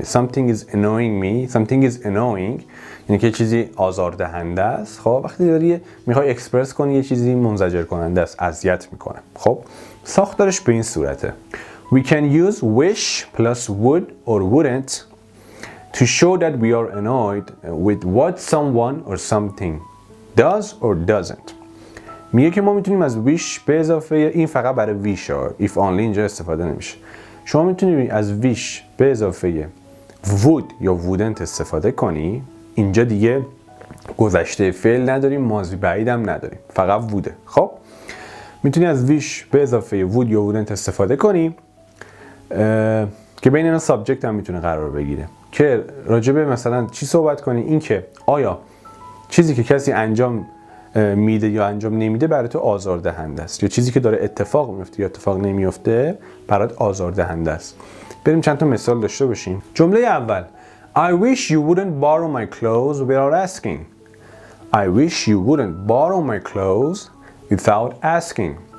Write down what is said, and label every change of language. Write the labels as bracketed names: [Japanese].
[English] something is annoying [Persian] یعنی که چیزی آزاردهنده است. خب وقتی داری میخوای اکسپرس کنی یه چیزی منزجر کننده است، اذیت میکنه. خب ساختارش به این صورته: [English] We can use wish plus would or wouldn't to show that we are annoyed with what someone or something does or doesn't. [Persian] میگه که ما میتونیم از wish به اضافه این فقط برای wish ها. If only اینجا استفاده نمیشه. شما میتونید از wish به اضافه would یا wouldn't استفاده کنی. اینجا دیگه گذشته فعل نداریم، ماضی بعید هم نداریم، فقط would. خب میتونی از wish به اضافه would یا wouldn't استفاده کنی که بین اینا سابجکت هم میتونه قرار بگیره که راجبه مثلا چی صحبت کنی. این که آیا چیزی که کسی انجام میده یا انجام نمیده برای تو آزاردهنده است، یا چیزی که داره اتفاق میفته یا اتفاق نمیفته برات آزاردهنده است. بریم چند تا مثال داشته باشیم. جمله اول: [English] I wish you wouldn't borrow my clothes without asking. I wish you wouldn't borrow my clothes without asking.